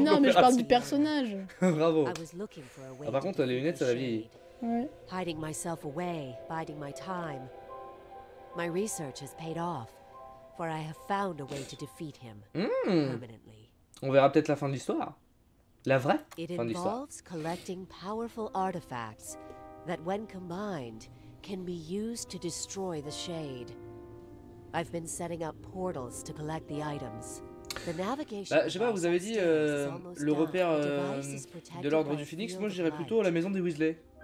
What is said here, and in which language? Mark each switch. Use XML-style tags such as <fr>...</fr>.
<fr>Mais non, mais je parle du personnage. Bravo. Ah, par contre, les lunettes, ça la vieille.</fr> <en>Ouais. Hiding myself away, biding my time. My research has paid off, for I have found a way to defeat him permanently.</en> <fr>On verra peut-être la fin de l'histoire. La vraie fin de l'histoire.</fr> <en>It involves collecting powerful artifacts that when combined can be used to destroy the shade. I've been setting up portals to collect the items.</en> <fr>Bah, je sais pas, vous avez dit le repère de l'Ordre du Phénix, moi j'irais plutôt à la maison des Weasley.</fr>